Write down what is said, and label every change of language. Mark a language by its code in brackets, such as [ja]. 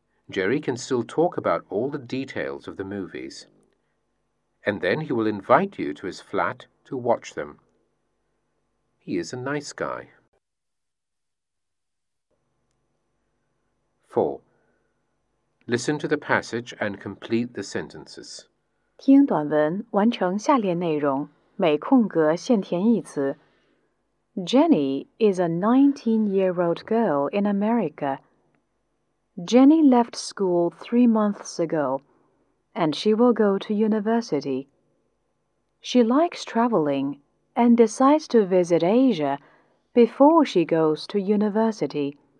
[en] Jerry can still talk about all the details of the movies. And then he will invite you to his flat to watch them. He is a nice guy. 4. Listen to the passage and complete the sentences. [zh] 听短文，完成下列内容，每空格限填一词。 [en] Jenny is a 19-year-old girl in America. Jenny left school 3 months ago, and she will go to university. She likes traveling and decides to visit Asia before she goes to university.